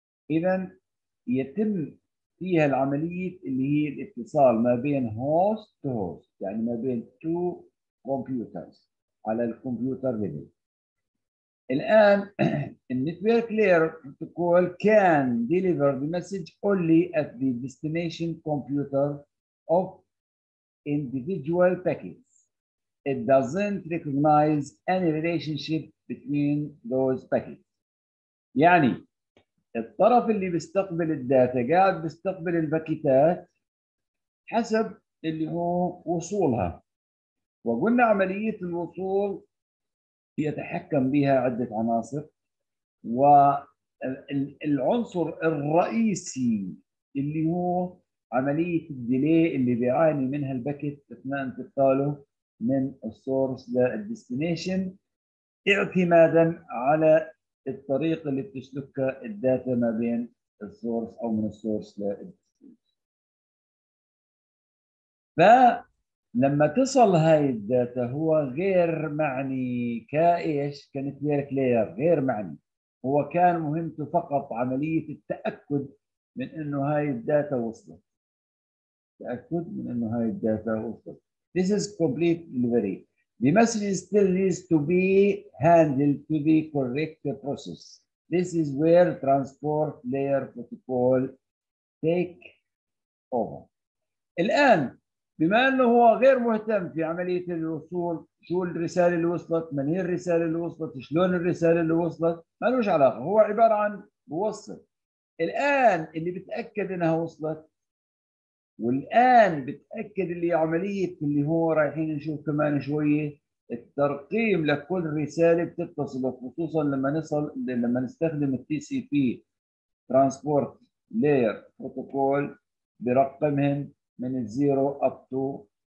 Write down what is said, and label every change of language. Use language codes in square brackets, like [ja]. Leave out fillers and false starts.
[ar] اذا يتم فيها العمليه اللي هي الاتصال ما بين هوست تو هوست، يعني ما بين تو كمبيوترز على الكمبيوتر ليفل. [en] الان النتورك لاير بروتوكول كان ديليفر ذا مسج اونلي ات ذا ديستنيشن كمبيوتر اوف individual packets. It doesn't recognize any relationship between those packets. [ar] يعني الطرف اللي بيستقبل الداتا قاعد بيستقبل الباكيتات حسب اللي هو وصولها. وقلنا عملية الوصول يتحكم بها عدة عناصر، والعنصر الرئيسي اللي هو عملية الديلي اللي بيعاني منها الباكيت أثناء انتقاله من السورس للديستنيشن، اعتمادا على الطريق اللي بتسلكها الداتا ما بين السورس أو من السورس للديستنيشن. فلما تصل هاي الداتا هو غير معني كايش كنتورك لاير، غير معني، هو كان مهمته فقط عملية التأكد من إنه هاي الداتا وصلت. تأكد من أنه هاي الداتا وصلت. [en] This is complete delivery. The message still needs to be handled to the correct process. This is where transport layer protocol take over. [ar] الآن بما أنه هو غير مهتم في عملية الوصول، شو الرسالة اللي وصلت، من هي الرسالة اللي وصلت، شلون الرسالة اللي وصلت، ما لهش علاقة، هو عبارة عن بوصل. الآن اللي بتأكد أنها وصلت والآن بتأكد اللي عملية اللي هو رايحين نشوف كمان شوية الترقيم لكل رسالة بتتصل، خصوصا لما نصل لما نستخدم التي سي بي ترانسبورت لير بروتوكول برقمهم من الزيرو اب تو